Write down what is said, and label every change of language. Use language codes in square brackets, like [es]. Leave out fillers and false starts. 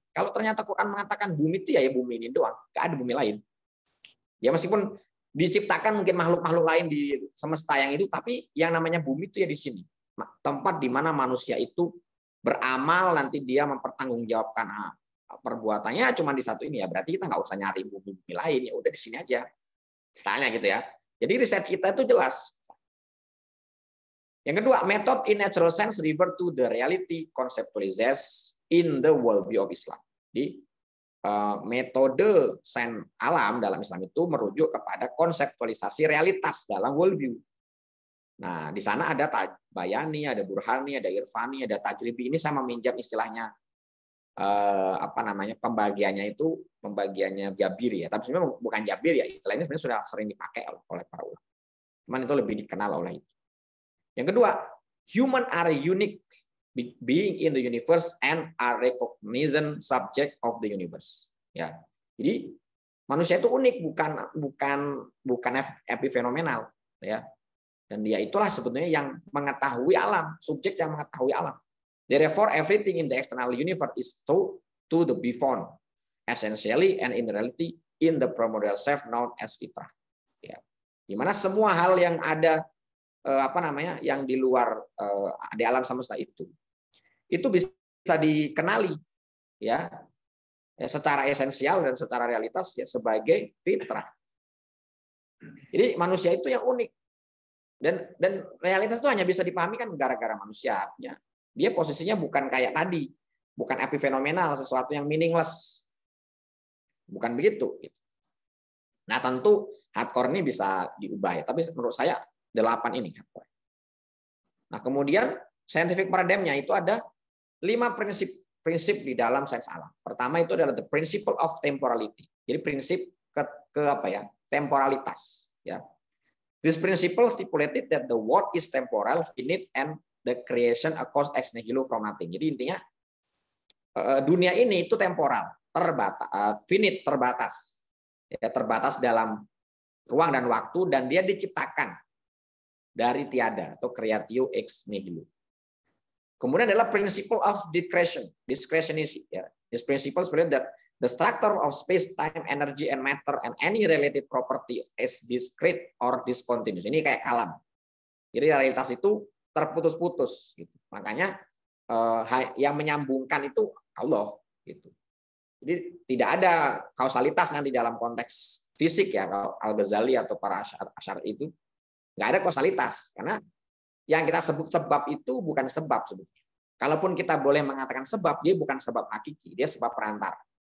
[id] Kalau ternyata Quran mengatakan bumi itu ya bumi ini doang, nggak ada bumi lain ya, meskipun diciptakan mungkin makhluk-makhluk lain di semesta yang itu, tapi yang namanya bumi itu ya di sini, tempat di mana manusia itu beramal, nanti dia mempertanggungjawabkan perbuatannya cuma di satu ini ya, berarti kita nggak usah nyari bumi lain, ya udah di sini aja misalnya gitu ya. Jadi riset kita itu jelas. Yang kedua, [en] method in natural sense refer to the reality conceptualized in the worldview of Islam. [id] Jadi metode sains alam dalam Islam itu merujuk kepada konseptualisasi realitas dalam worldview. Nah di sana ada bayani, ada burhani, ada irfani, ada tajribi. Ini saya meminjam istilahnya pembagiannya Jabir ya, tapi sebenarnya bukan Jabir ya, istilah ini sebenarnya sudah sering dipakai oleh para ulama, cuman itu lebih dikenal oleh itu. Yang kedua, [en] human are unique being in the universe and are recognizant subject of the universe. [id] Ya, jadi manusia itu unik, bukan epifenomenal ya, dan dia itulah sebetulnya yang mengetahui alam, subjek yang mengetahui alam. [en] Therefore, everything in the external universe is true to the beyond, essentially and in reality in the primordial self known as fitrah. [id] Ya. Di mana semua hal yang ada yang di luar di alam semesta itu bisa dikenali ya secara esensial dan secara realitas ya sebagai fitrah. Jadi manusia itu yang unik dan realitas itu hanya bisa dipahami kan gara-gara manusia. Ya. Dia posisinya bukan kayak tadi, bukan epifenomenal, sesuatu yang meaningless. Bukan begitu. Nah tentu hardcore ini bisa diubah ya, tapi menurut saya 8 ini hardcore. Nah kemudian scientific paradigm-nya itu ada 5 prinsip di dalam sains alam. Pertama itu adalah [en] the principle of temporality. [id] Jadi prinsip temporalitas. Ya. [en] This principle stipulated that the world is temporal, finite, and the creation occurs ex nihilo from nothing. [id] Jadi intinya dunia ini itu temporal, terbatas. Ya, terbatas dalam ruang dan waktu dan dia diciptakan dari tiada atau creatio ex nihilo. Kemudian adalah [en] principle of discretion. Discretion is ya. This principle explains that the structure of space, time, energy and matter and any related property is discrete or discontinuous. [id] Ini kayak kalam. Jadi realitas itu terputus-putus, gitu. Makanya yang menyambungkan itu Allah, gitu. Jadi tidak ada kausalitas nanti dalam konteks fisik ya, kalau Al-Ghazali atau para asyari itu nggak ada kausalitas, karena yang kita sebut sebab itu bukan sebab sebenarnya. Kalaupun kita boleh mengatakan sebab, dia bukan sebab hakiki, dia sebab perantara.